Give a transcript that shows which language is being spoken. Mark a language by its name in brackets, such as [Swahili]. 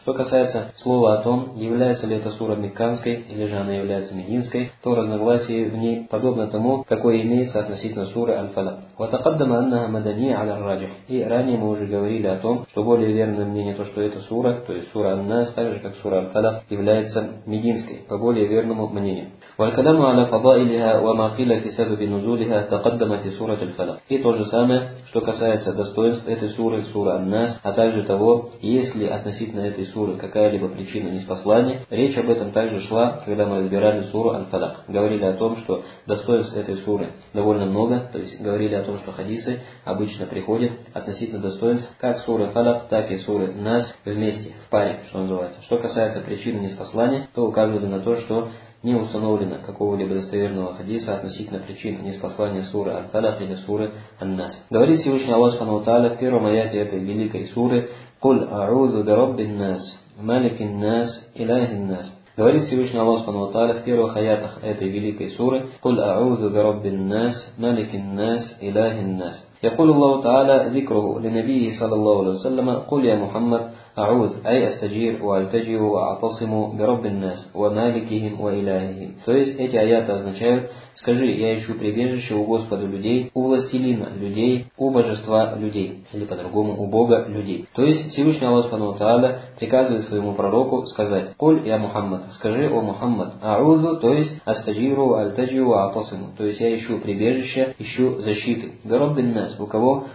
[Russian] Что касается слова о том, является ли эта сура мекканской или же она является мединской, то разногласие в ней подобно тому, какое имеется относительно суры аль-фалак. [Arabic] «Ватакаддама аннаха мадания аль-раджих». [Russian] И ранее мы уже говорили о том, что более верное мнение то, что эта сура, то есть сура Ан-Нас, так же как сура аль-фалак, является мединской, по более верному мнению. [Arabic] والكلام على فضائلها وما قيل في سبب نزولها تقدم في سورة الفلق. [Russian] И то же самое, что касается достоинств этой суры, сура Ан-Нас, а также того, есть ли относительно этой суры какая-либо причина ниспослания, речь об этом также шла, когда мы разбирали суру Аль-Фалак. Говорили о том, что достоинств этой суры довольно много, то есть говорили о том, что хадисы обычно приходят относительно достоинств как суры Фалак, так и суры Нас вместе, в паре, что называется. Что касается причины ниспослания, то указывали на то, что не установлено какого-либо достоверного хадиса относительно причин ниспослания суры Аль-Фалак или суры Ан-Нас. Говорит Всевышний Аллах Субхану Тааля в первом аяте этой великой суры [Arabic] «Кул а'узу би Раббин Нас, Маликин Нас, Илахин Нас». [Russian] Говорит Всевышний Аллах Субхану Тааля в первых аятах этой великой суры [Arabic] «Кул а'узу би Раббин Нас, Маликин Нас, Илахин Нас». يقول الله تعالى ذكره لنبيه صلى الله عليه وسلم قل يا محمد أعوذ أي أستجير وألتجئ وأعتصم برب الناس ومالكهم وإلههم. [Russian] То есть эти аяты означают: скажи, я ищу прибежище у Господа людей, у властелина людей, у божества людей, или по-другому у Бога людей. То есть Всевышний Аллах Субхану Тааля приказывает своему пророку сказать: [Arabic] قل يا محمد, [Russian] скажи о Мухаммад, [Arabic] أعوذ, [Russian] то есть [Arabic] أستجير وألتجئ وأعتصم, [Russian] то есть я ищу прибежище, ищу защиты [Arabic] برب الناس, [Russian] у кого?